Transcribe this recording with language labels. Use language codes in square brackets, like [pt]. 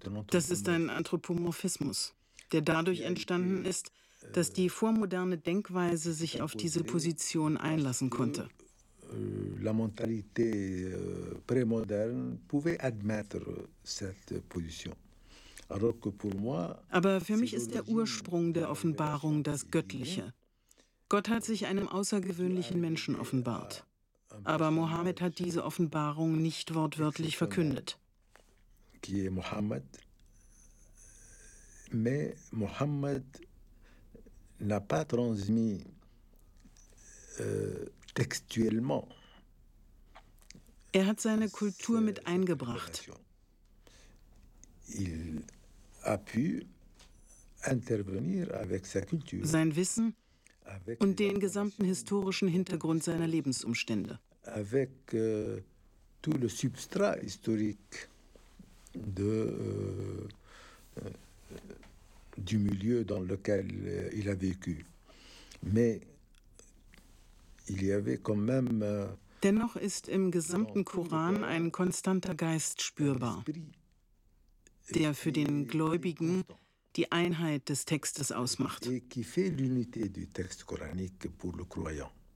[de] Das ist ein Anthropomorphismus, der dadurch entstanden ist, dass die vormoderne Denkweise sich auf diese Position einlassen konnte. [fr] La mentalité prémoderne pouvait admettre cette position. Alors que pour moi, [de] aber für mich ist der Ursprung der Offenbarung das Göttliche. Gott hat sich einem außergewöhnlichen Menschen offenbart. Aber Mohammed hat diese Offenbarung nicht wortwörtlich verkündet. [fr] Qui est Mohammed? Mais Mohammed n'a pas transmis textuellement. [de] Er hat seine Kultur mit eingebracht. [fr] Il a pu intervenir avec sa culture, [de] sein Wissen avec und den gesamten historischen Hintergrund seiner Lebensumstände. [fr] Avec tout le substrat historique du milieu dans lequel il a vécu. Mais il y avait quand même, [de] dennoch ist im gesamten Koran ein konstanter Geist spürbar, der für den Gläubigen die Einheit des Textes ausmacht. [fr] Et qui fait l'unité du texte coranique pour le croyant.